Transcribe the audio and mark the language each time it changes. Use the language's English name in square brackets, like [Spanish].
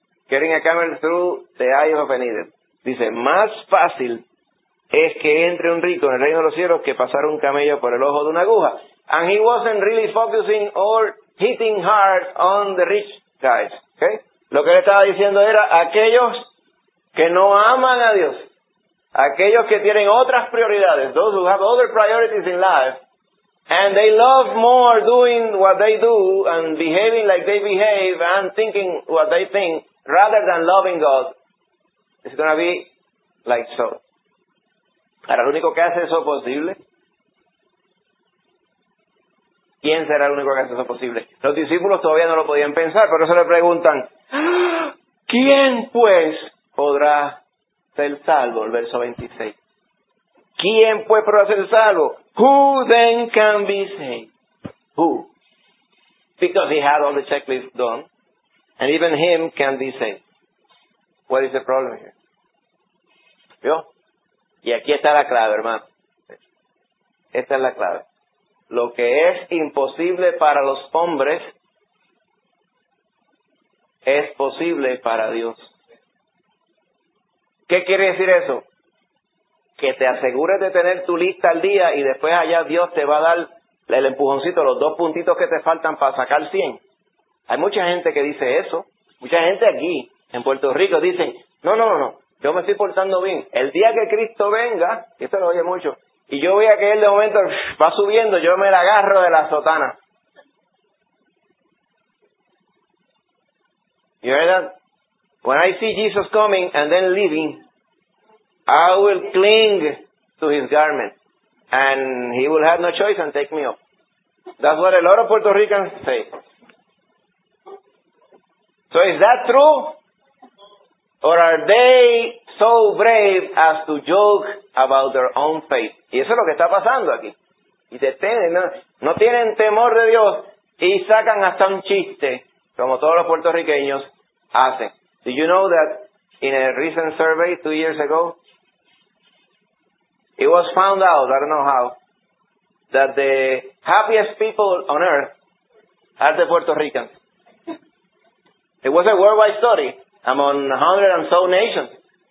[English] Getting a camel through the eye of a needle. [Spanish] Dice, más fácil es que entre un rico en el reino de los cielos que pasar un camello por el ojo de una aguja. [English] And he wasn't really focusing or hitting hard on the rich guys. Okay? [Spanish] Lo que él estaba diciendo era, aquellos que no aman a Dios, aquellos que tienen otras prioridades, [English] those who have other priorities in life, and they love more doing what they do and behaving like they behave and thinking what they think, rather than loving God, it's going to be like so. [Spanish] ¿Para el único que hace eso posible? ¿Quién será el único que hace eso posible? Los discípulos todavía no lo podían pensar, pero se le preguntan, ¿quién pues podrá ser salvo? El verso 26. ¿Quién pues podrá ser salvo? [English] Who then can be saved? Who? Because he had all the checklist done. And even him can be saved. What is the problem here? [Spanish] ¿Vio? Y aquí está la clave, hermano. Esta es la clave. Lo que es imposible para los hombres es posible para Dios. ¿Qué quiere decir eso? Que te asegures de tener tu lista al día y después allá Dios te va a dar el empujoncito, los dos puntitos que te faltan para sacar 100. Hay mucha gente que dice eso. Mucha gente aquí en Puerto Rico dicen, no, yo me estoy portando bien. El día que Cristo venga, y esto lo oye mucho, y yo voy a que él de momento va subiendo, yo me la agarro de la sotana. [English] You hear that? When I see Jesus coming and then leaving, I will cling to his garment. And he will have no choice and take me up. That's what a lot of Puerto Ricans say. So is that true? Or are they so brave as to joke about their own faith? [Spanish] Y eso es lo que está pasando aquí. Y no tienen temor de Dios y sacan hasta un chiste, como todos los puertorriqueños hacen. [English] Do you know that in a recent survey 2 years ago, it was found out, I don't know how, that the happiest people on earth are the Puerto Ricans. It was a worldwide study among 100 and so nations.